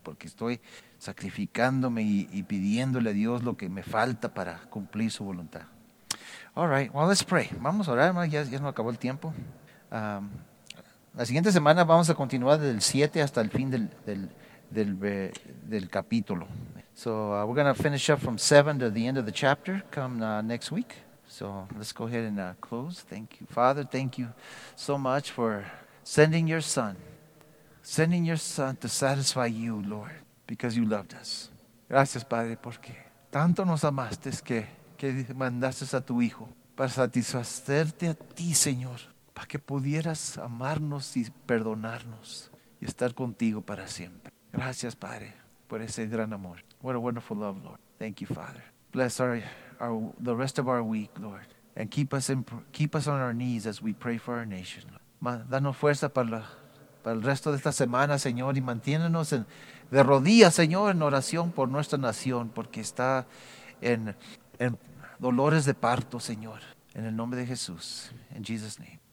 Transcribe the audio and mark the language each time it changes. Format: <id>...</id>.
<es>Porque estoy sacrificándome y pidiéndole a Dios lo que me falta para cumplir su voluntad.</es> <en>All right, well, let's pray.</en> <es>Vamos a orar, hermano. Ya no acabó el tiempo. La siguiente semana vamos a continuar del 7 hasta el fin del capítulo.</es> <en>So, we're going to finish up from 7 to the end of the chapter. Come next week. So let's go ahead and close. Thank you, Father. Thank you so much for sending your son to satisfy you, Lord, because you loved us.</en> <es>Gracias, Padre, porque tanto nos amaste que mandaste a tu hijo para satisfacerte a ti, Señor, para que pudieras amarnos y perdonarnos y estar contigo para siempre. Gracias, Padre, por ese gran amor.</es> <en>What a wonderful love, Lord. Thank you, Father. Bless the rest of our week, Lord, and keep us on our knees as we pray for our nation.</en> <es>Danos fuerza para el resto de esta semana, Señor, y manténnos de rodillas, Señor, en oración por nuestra nación, porque está en dolores de parto, Señor. En el nombre de Jesús,</es> <en>in Jesus' name.</en>